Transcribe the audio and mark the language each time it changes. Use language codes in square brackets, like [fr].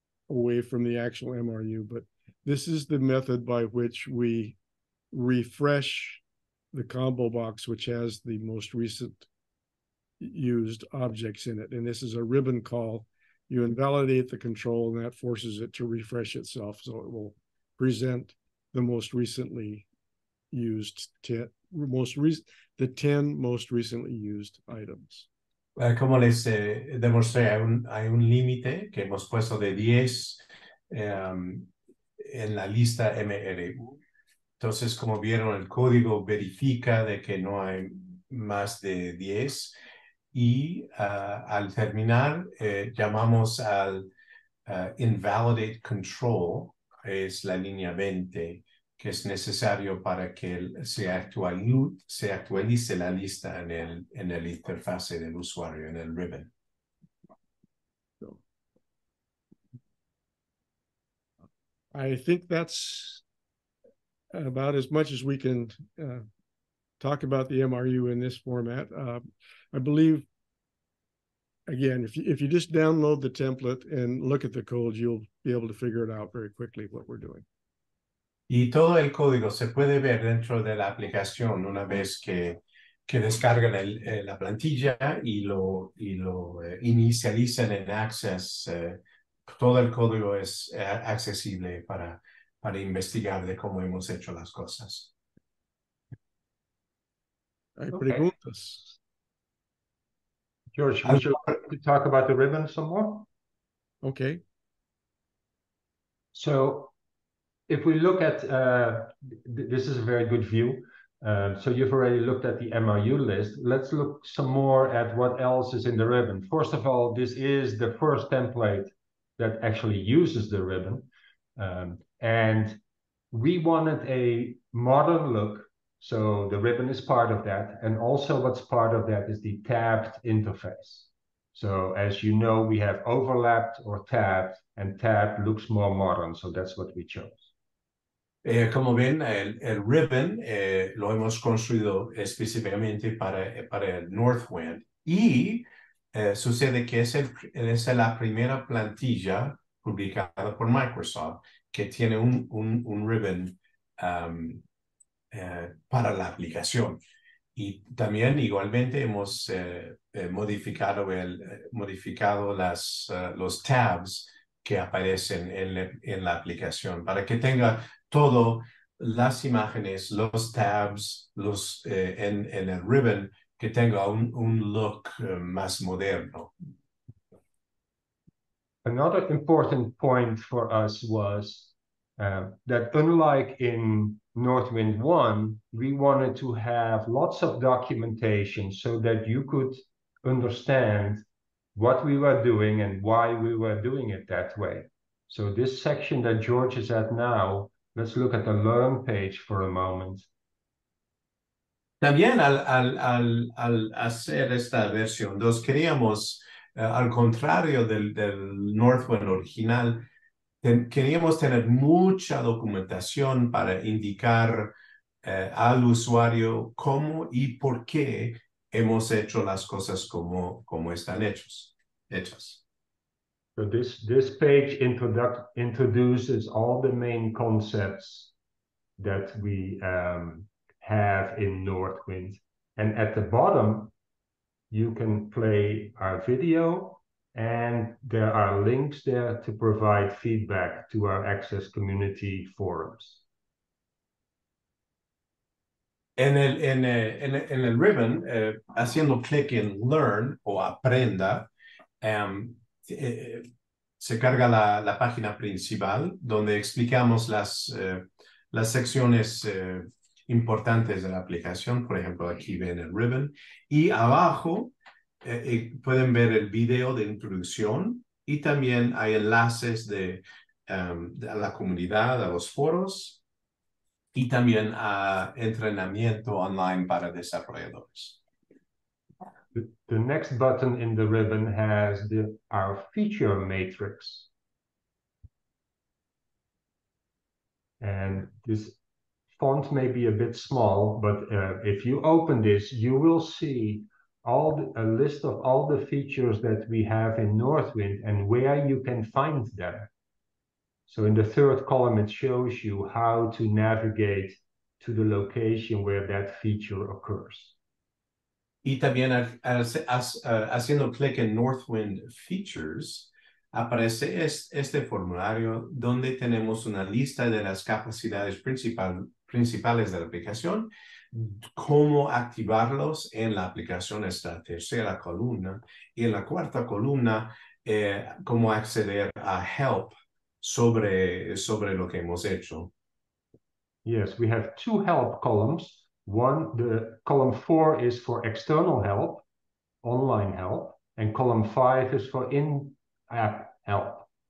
[en] away from the actual MRU, but this is the method by which we refresh the combo box, which has the most recent used objects in it. And this is a ribbon call. You invalidate the control and that forces it to refresh itself. So it will present the most recently used 10, the 10 most recently used items. [es] Como les demostré, hay un límite que hemos puesto de 10 en la lista MRU. Entonces, como vieron, el código verifica de que no hay más de 10. Y al terminar, llamamos al invalidate control, es la línea 20, que es necesario para que se actualice la lista en el interfase del usuario, en el ribbon. I think that's about as much as we can talk about the MRU in this format. I believe, again, if you just download the template and look at the code, you'll be able to figure it out very quickly what we're doing. Y todo el código se puede ver dentro de la aplicación una vez que descargan la plantilla y lo inicializan en Access. Todo el código es accesible para investigar de cómo hemos hecho las cosas. ¿Hay preguntas? [en] Okay. George, would you like to talk about the ribbon some more? Okay. So, if we look at, this is a very good view. So you've already looked at the MRU list. Let's look some more at what else is in the ribbon. First of all, this is the first template that actually uses the ribbon. And we wanted a modern look. So the ribbon is part of that. And also what's part of that is the tabbed interface. So as you know, we have overlapped or tabbed, and tabbed looks more modern. So that's what we chose. [es] Como ven, el ribbon lo hemos construido específicamente para el Northwind. Y sucede que es la primera plantilla publicada por Microsoft que tiene un ribbon para la aplicación. Y también igualmente hemos modificado los tabs que aparecen en la aplicación para que tenga todo, las imágenes, los tabs, los en el ribbon, que tenga un look más moderno. [en] Another important point for us was that unlike in Northwind 1, we wanted to have lots of documentation so that you could understand what we were doing and why we were doing it that way. So this section that George is at now, let's look at the learn page for a moment. [es] También al hacer esta versión 2, queríamos, al contrario del Northwind original, queríamos tener mucha documentación para indicar al usuario cómo y por qué hemos hecho las cosas como están hechas. [en] So this page introduces all the main concepts that we have in Northwind. And at the bottom, you can play our video, and there are links there to provide feedback to our Access community forums. [es] En el ribbon, haciendo clic en Learn o Aprenda, se carga la página principal donde explicamos las secciones importantes de la aplicación. Por ejemplo, aquí ven el ribbon. Y abajo pueden ver el video de introducción y también hay enlaces de la comunidad, a los foros y también a entrenamiento online para desarrolladores. [en] The next button in the ribbon has our feature matrix. And this font may be a bit small, but if you open this, you will see a list of all the features that we have in Northwind and where you can find them. So in the third column, it shows you how to navigate to the location where that feature occurs. [es] Y también haciendo clic en Northwind Features, aparece este formulario donde tenemos una lista de las capacidades principales de la aplicación, cómo activarlos en la aplicación, esta tercera columna, y en la cuarta columna, cómo acceder a help sobre lo que hemos hecho. [en] Yes, we have two help columns. One, the column four is for external help, online help, and column five is for in-app help.